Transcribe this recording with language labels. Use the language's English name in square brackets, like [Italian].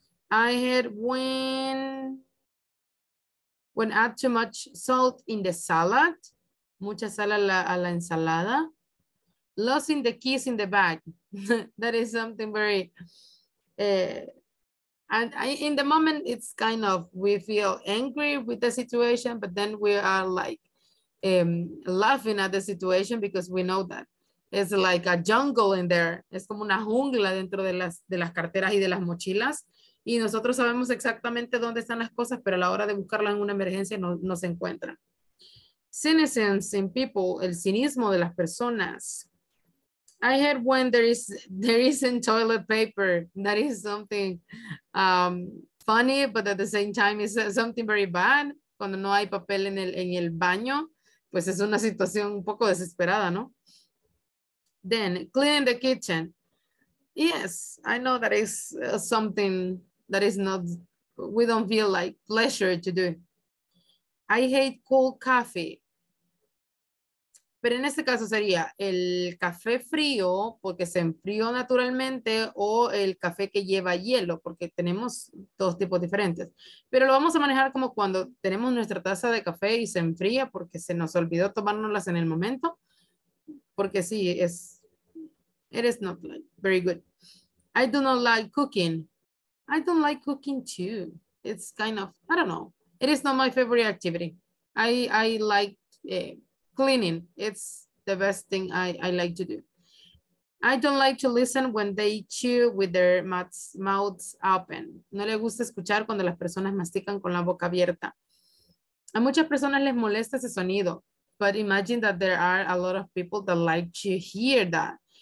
[English] I heard when add too much salt in the salad, [Spanish] mucha sal a la ensalada, [English] losing the keys in the bag, that is something very... And I, in the moment, it's kind of, we feel angry with the situation, but then we are like laughing at the situation because we know that it's like a jungle in there. [Spanish] Es como una jungla dentro de las carteras y de las mochilas. Y nosotros sabemos exactamente dónde están las cosas, pero a la hora de buscarlas en una emergencia no se encuentran. [English] Cynicism in people, [Spanish] el cinismo de las personas. [English] I heard when there isn't toilet paper, that is something funny, but at the same time it's something very bad. [Spanish] Cuando no hay papel en el baño, pues es una situación un poco desesperada, ¿no? [English] Then, cleaning the kitchen. Yes, I know that is something that is not, we don't feel like pleasure to do. I hate cold coffee. [Spanish] Pero en este caso sería el café frío porque se enfrió naturalmente o el café que lleva hielo porque tenemos dos tipos diferentes. Pero lo vamos a manejar como cuando tenemos nuestra taza de café y se enfría porque se nos olvidó tomárnoslas en el momento. Porque sí, es, [English] it is not like very good. I do not like cooking. I don't like cooking too. It's kind of, I don't know. It is not my favorite activity. I like... cleaning, it's the best thing I like to do. I don't like to listen when they chew with their mouths open. [Spanish] No le gusta escuchar cuando las personas mastican con la boca abierta. A muchas personas les molesta ese sonido. [English] But imagine that there are a lot of people that like to hear that.